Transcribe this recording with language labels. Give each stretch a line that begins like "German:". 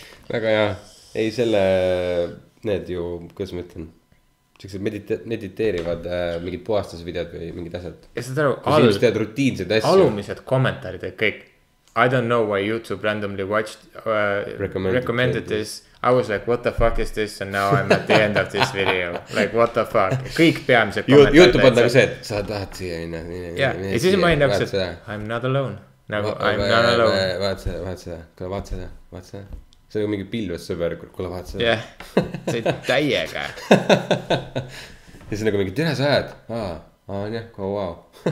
Estonian: väga hea , ei selle , need ju , kuidas ma ütlen , siuksed mediteerivad mingid puhastusvideod või mingid asjad . ja saad aru , inimesed teevad rutiinseid asju . alumised kommentaarid olid kõik .
English: I don't know why YouTube randomly watched recommended this . I was like , what the fuck is this and now I am at the end of this video . Like , what the fuck ,
Estonian: kõik peamised kommentaarid . YouTube on nagu see , et sa tahad siia minna . ja siis ma olin nagu see , et
English: I am not alone .
Estonian: nagu
English: I am not alone .
Estonian: vaata seda , vaata seda , kuule vaata seda , vaata seda . see on nagu mingi pilves sõber , kuule vaata seda . jah , sõid täiega . ja siis nagu mingi , tere , sa ajad , aa , on jah , go wow .